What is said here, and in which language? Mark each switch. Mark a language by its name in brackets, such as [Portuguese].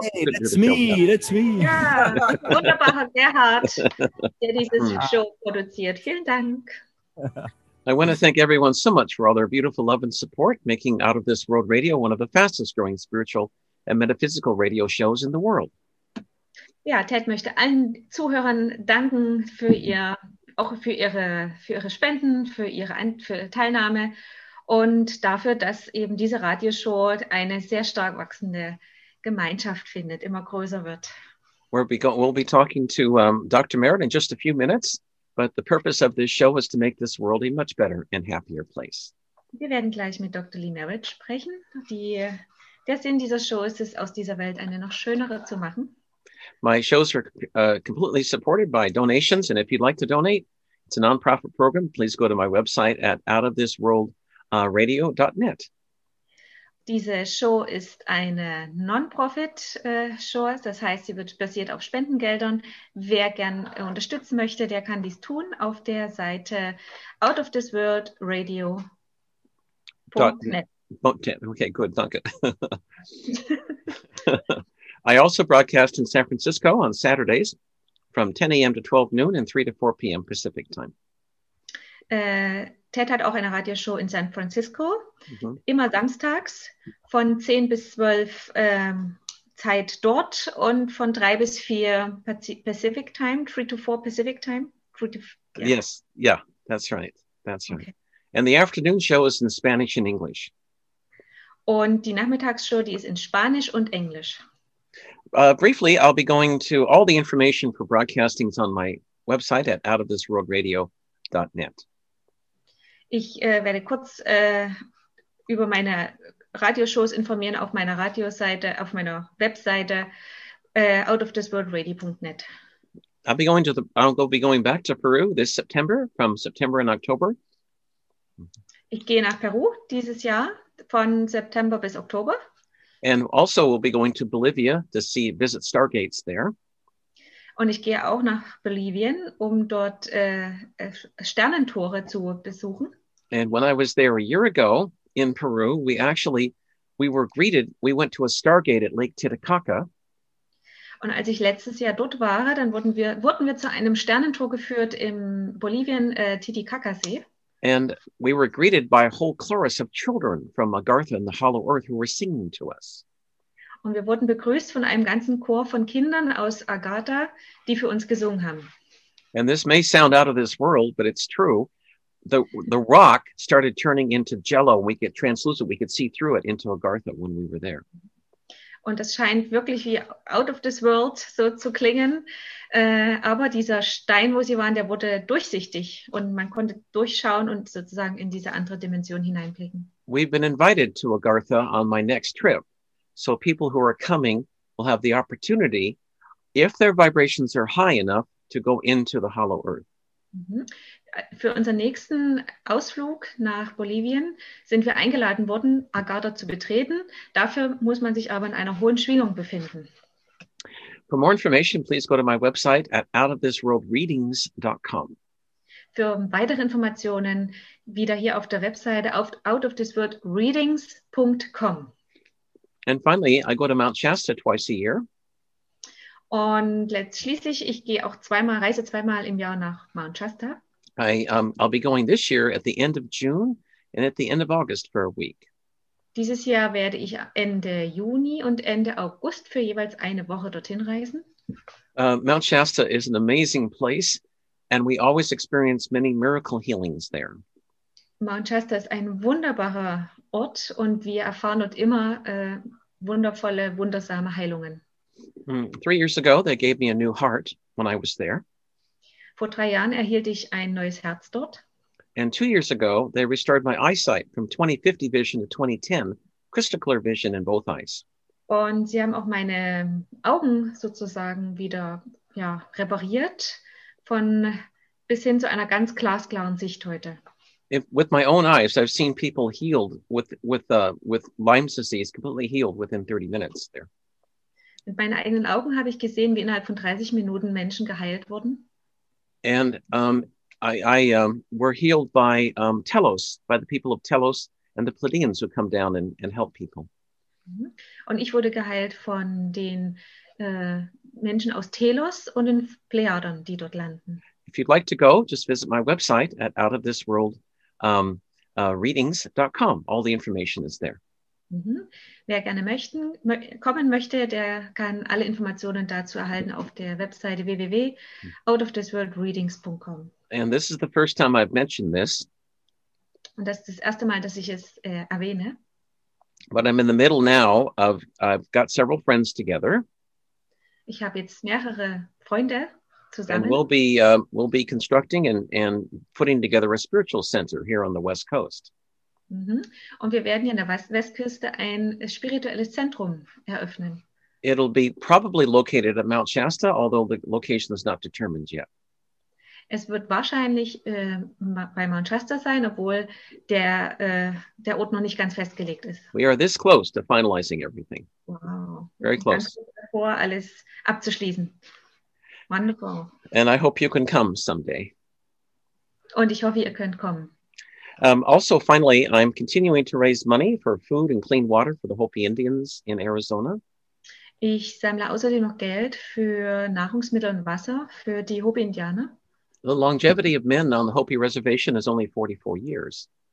[English] it. Hey, that's me. [German] Ja, wunderbarer Gerhard, der dieses Show produziert. Vielen Dank. [English] I want to thank everyone so much for all their beautiful love and support, making Out of This World Radio one of the fastest growing spiritual and metaphysical radio shows in the world. [German] Ja, Ted möchte allen Zuhörern danken für ihre Spenden, für ihre Teilnahme und dafür, dass eben diese Radioshow eine sehr stark wachsende Gemeinschaft findet, immer größer wird. [English] We'll be talking to Dr. Merritt in just a few minutes. But the purpose of this show is to make this world a much better and happier place. [German] Wir werden gleich mit Dr. Lee Merritt sprechen. Der Sinn dieser Show ist es, aus dieser Welt eine noch schönere zu machen. [English] My shows are completely supported by donations. And if you'd like to donate, it's a non-profit program. Please go to my website at outofthisworldradio.net. [German] Diese Show ist eine Non-Profit-Show, das heißt, sie wird basiert auf Spendengeldern. Wer gern unterstützen möchte, der kann dies tun auf der Seite outofthisworldradio.net. Okay, gut, danke. [English] I also broadcast in San Francisco on Saturdays from 10 a.m. to 12 noon and 3 to 4 p.m. Pacific time. [German] Ted hat auch eine Radioshow in San Francisco, immer samstags von 10 bis 12 Zeit dort und von 3 bis 4 Pacific Time, [English] 3 to 4 Pacific Time. Yes, yeah, that's right. That's right. Okay. And the afternoon show is in Spanish and English. [German] Und die Nachmittagsshow, die ist in Spanisch und Englisch. [English] Briefly, I'll be going to all the information for broadcasting on my website at outofthisworldradio.net. [German] Ich werde kurz über meine Radioshows informieren auf meiner Radioseite, auf meiner Webseite outofthisworldradio.net. [English] I'll be going back to Peru this September, from September and October. [German] Ich gehe nach Peru dieses Jahr von September bis Oktober. [English] And also we'll be going to Bolivia to see visit Stargates there. [German] Und ich gehe auch nach Bolivien, um dort Sternentore zu besuchen. [English] And when I was there a year ago in Peru, we went to a Stargate at Lake Titicaca. [German] Und als ich letztes Jahr dort war, dann wurden wir zu einem Sternentor geführt im Bolivien Titicacasee. [English] And we were greeted by a whole chorus of children from Agartha and the Hollow Earth who were singing to us. [German] Und wir wurden begrüßt von einem ganzen Chor von Kindern aus Agartha, die für uns gesungen haben. [English] And this may sound out of this world, but it's true. The rock started turning into jello. We get translucent. We could see through it into Agartha when we were there. [German] Und das scheint wirklich wie [English] out of this world [German] so zu klingen. Aber dieser Stein, wo sie waren, der wurde durchsichtig. Und man konnte durchschauen und sozusagen in diese andere Dimension hineinblicken. [English] We've been invited to Agartha on my next trip. So people who are coming will have the opportunity, if their vibrations are high enough, to go into the hollow earth. [German] Für unseren nächsten Ausflug nach Bolivien sind wir eingeladen worden, Agartha zu betreten. Dafür muss man sich aber in einer hohen Schwingung befinden. [English] For more information, please go to my website at outofthisworldreadings.com. [German] Für weitere Informationen wieder hier auf der Webseite auf outofthisworldreadings.com. [English] And finally, I go to Mount Shasta twice a year. [German] Und schließlich, ich gehe auch reise zweimal im Jahr nach Mount Shasta. [English] I'll be going this year at the end of June and at the end of August for a week. [German] Dieses Jahr werde ich Ende Juni und Ende August für jeweils eine Woche dorthin reisen. [English] Mount Shasta is an amazing place and we always experience many miracle healings there. [German] Mount Shasta ist ein wunderbarer Ort und wir erfahren dort immer wundervolle, wundersame Heilungen. [English] 3 years ago, they gave me a new heart when I was there. [German] Vor 3 Jahren erhielt ich ein neues Herz dort. [English] And 2 years ago, they restored my eyesight from 20/50 vision to 20/10, crystal clear vision in both eyes. [German] Und sie haben auch meine Augen sozusagen wieder repariert, von bis hin zu einer ganz glasklaren Sicht heute. [English] With my own eyes, I've seen people healed with Lyme disease, completely healed within 30 minutes there. [German] Mit meinen eigenen Augen habe ich gesehen, wie innerhalb von 30 Minuten Menschen geheilt wurden. [English] And were healed by Telos, by the people of Telos and the Pleiadians who come down and help people. [German] Und ich wurde geheilt von den Menschen aus Telos und den Plejaden, die dort landen. [English] If you'd like to go, just visit my website at outofthisworldreadings.com. All the information is there. [German] Wer gerne kommen möchte, der kann alle Informationen dazu erhalten auf der Webseite www.outofthisworldreadings.com. [English] And this is the first time I've mentioned this. [German] Und das ist das erste Mal, dass ich es erwähne. [English] But I'm in the middle now of I've got several friends together. [German] Ich habe jetzt mehrere Freunde zusammen. [English] And we'll be constructing and putting together a spiritual center here on the West Coast. [German] Und wir werden hier an der Westküste ein spirituelles Zentrum eröffnen. [English] It'll be probably located at Mount Shasta, although the location is not determined yet. [German] Es wird wahrscheinlich bei Mount Shasta sein, obwohl der Ort noch nicht ganz festgelegt ist. [English] We are this close to finalizing everything. Wow. Very close. [German] Ganz davor, alles abzuschließen. [English] Wonderful. And I hope you can come someday. [German] Und ich hoffe, ihr könnt kommen. [English] Also, finally, I'm continuing to raise money for food and clean water for the Hopi Indians in Arizona. [German] Ich sammle außerdem noch Geld für Nahrungsmittel und Wasser für die Hopi Indianer. [English] The longevity of men on the Hopi Reservation is only 44 years.